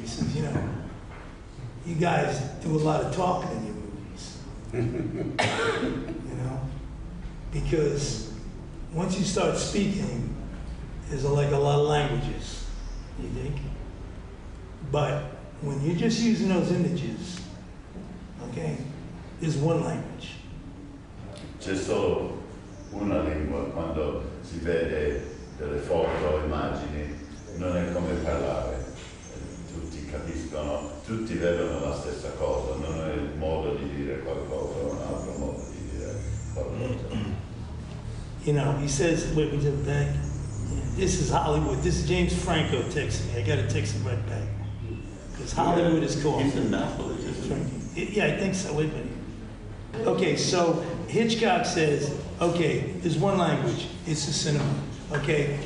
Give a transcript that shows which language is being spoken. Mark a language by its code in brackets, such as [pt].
[en] He says, you know, you guys do a lot of talking in your movies. You know? Because once you start speaking, there's like a lot of languages, you think? But when you're just using those images, okay, there's one language. [it] C'è solo una lingua quando si vede delle foto, immagini, non è come parlare. Tutti capiscono, tutti vedono la stessa cosa, non è il modo di dire qualcosa, è un altro modo di dire qualcosa. [en] You know, he says, wait, we did it back. This is Hollywood. This is James Franco texting me. I got to text him right back. Because Hollywood is cool. He's in Napoli, isn't he? Yeah, I think so. Wait a minute. Okay, so Hitchcock says, okay, there's one language. It's the cinema. Okay?